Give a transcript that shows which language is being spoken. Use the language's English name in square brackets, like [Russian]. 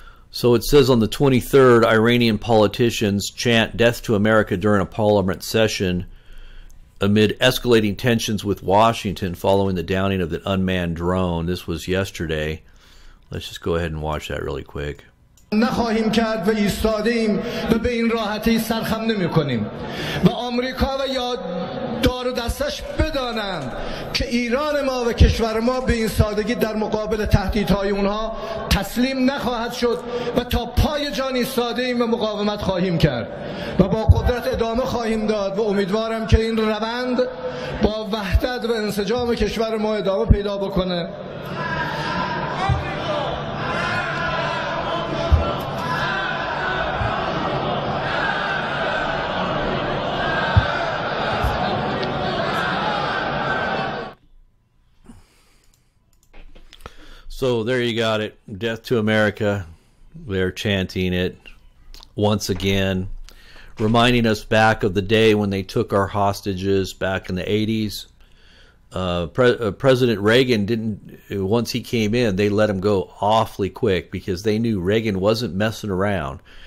[English] So it says on the 23rd, Iranian politicians chant death to America during a parliament session amid escalating tensions with Washington following the downing of the unmanned drone. This was yesterday. Let's just go ahead and watch that really quick. [Persian] نخواهیم کرد و ایستادیم و به این راحتی سرخم نمی کنیم و آمریکا و یا دار و دستش بدانند که ایران ما و کشور ما به این سادگی در مقابل تهدیدهای اونها تسلیم نخواهد شد و تا پای جان ایستادیم و مقاومت خواهیم کرد و با قدرت ادامه خواهیم داد و امیدوارم که این روند با وحدت و انسجام کشور ما ادامه پیدا بکنه [English] So there you got it. Death to America. They're chanting it once again, reminding us back of the day when they took our hostages back in the 80s. President Reagan didn't, once he came in, they let him go awfully quick because they knew Reagan wasn't messing around.